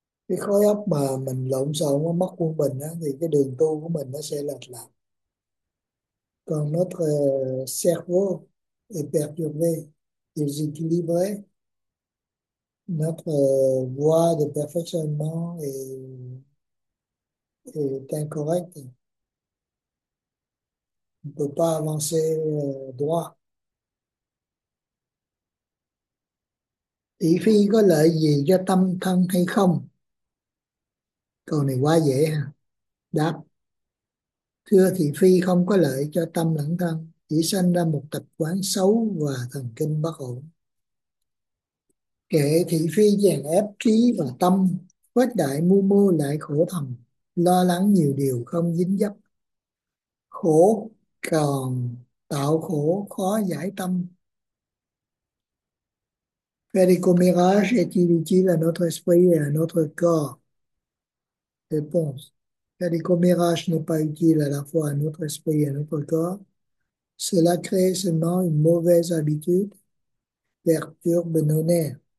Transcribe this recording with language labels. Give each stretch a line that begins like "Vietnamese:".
Vietnamese: Cái khối óc mà mình lộn xộn, nó mất quân bình á, thì cái đường tu của mình nó sẽ lệch lạc. Còn
French: notre cerveau est perturbé, déséquilibré, notre voie de perfectionnement est incorrecte. On ne peut pas avancer droit.
Vietnamese: Thị phi có lợi gì cho tâm thân hay không? Câu này quá dễ ha. Đáp: thưa thị phi không có lợi cho tâm lẫn thân, chỉ sanh ra một tập quán xấu và thần kinh bất ổn. Kẻ thị phi chèn ép trí và tâm, khuếch đại mưu mô lại khổ thầm, lo lắng nhiều điều không dính dấp. Khổ còn tạo khổ khó giải tâm.
French: Faire des commérages est-il utile à notre esprit et à notre corps? Réponse: faire des commérages n'est pas utile à la fois à notre esprit et à notre corps. Cela crée seulement une mauvaise habitude, perturbe nos nerfs.